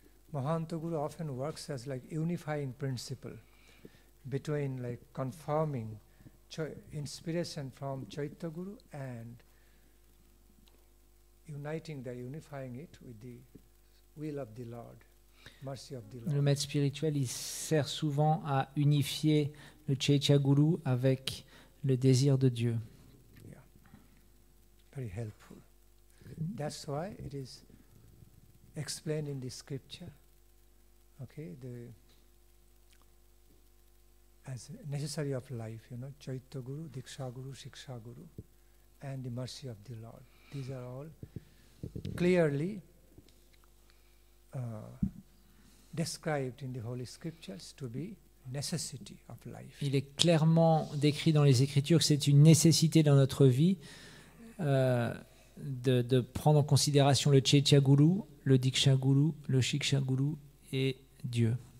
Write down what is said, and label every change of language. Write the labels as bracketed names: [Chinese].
[English] Mahanta Guru often works as like unifying principle between like confirming inspiration from Chaita Guru and uniting the unifying it with the will of the Lord, mercy of the Lord. [French] Le maître spirituel il sert souvent à unifier le Chaita Guru avec le désir de Dieu. [English] Yeah. Very helpful. That's why it is explained in the scripture. Okay, the as necessary of life, you know, Chaita Guru, Diksha Guru, Shiksha Guru, and the mercy of the Lord. These are all clearly described in the holy scriptures to be necessity of life. [French] Il est clairement décrit dans les Écritures que c'est une nécessité dans notre vie de prendre en considération le Chaita Guru, le Diksha Guru, le Shiksha Guru et Dieu